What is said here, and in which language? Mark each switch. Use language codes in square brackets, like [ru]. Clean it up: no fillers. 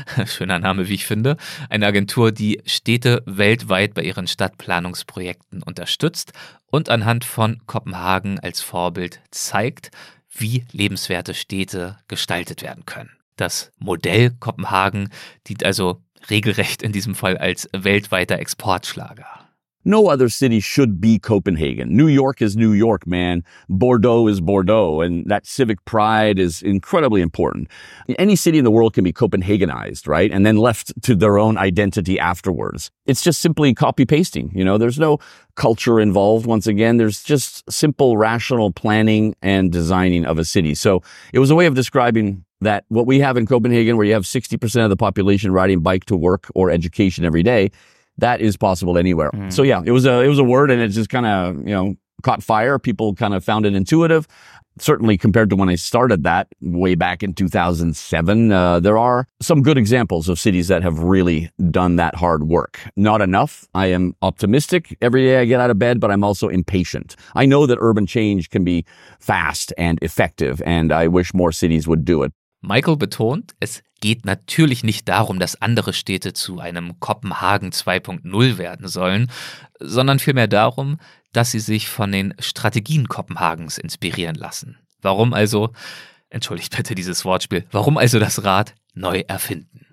[de] Schöner Name, wie ich finde. Eine Agentur, die Städte weltweit bei ihren Stadtplanungsprojekten unterstützt und anhand von Kopenhagen als Vorbild zeigt, wie lebenswerte Städte gestaltet werden können. Das Modell Kopenhagen dient also regelrecht in diesem Fall als weltweiter Exportschlager. [en] No other city should be Copenhagen. New York is New York, man. Bordeaux is Bordeaux, and that civic pride is incredibly important. Any city in the world can be Copenhagenized, right? And then left to their own identity afterwards. It's just simply copy-pasting, you know? There's no culture involved, once again. There's just simple rational planning and designing of a city. So it was a way of describing that what we have in Copenhagen, where you have 60% of the population riding bike to work or education every day, that is possible anywhere. Mm. So yeah, it was a word and it just kind of, you know, caught fire. People kind of found it intuitive. Certainly compared to when I started that way back in 2007, there are some good examples of cities that have really done that hard work. Not enough. I am optimistic every day I get out of bed, but I'm also impatient. I know that urban change can be fast and effective and I wish more cities would do it. [de] Michael betont, es geht natürlich nicht darum, dass andere Städte zu einem Kopenhagen 2.0 werden sollen, sondern vielmehr darum, dass sie sich von den Strategien Kopenhagens inspirieren lassen. Warum also, entschuldigt bitte dieses Wortspiel, warum also das Rad neu erfinden?